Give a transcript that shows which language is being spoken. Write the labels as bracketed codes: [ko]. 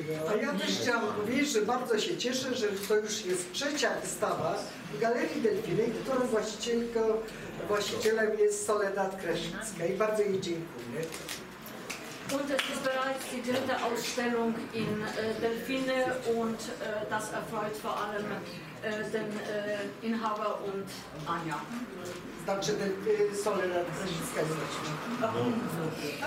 [pl] A ja też chciałam powiedzieć, że bardzo się cieszę, że to już jest trzecia wystawa w Galerii Delfiny, którą właścicielem jest Soledad Kraśnicka i bardzo jej dziękuję. [de] Und es ist bereits die dritte Ausstellung in Delfiny und das erfreut vor allem den Inhaber und Ania. [pl] Także ten Soledad Kraśnicka jest właśnie.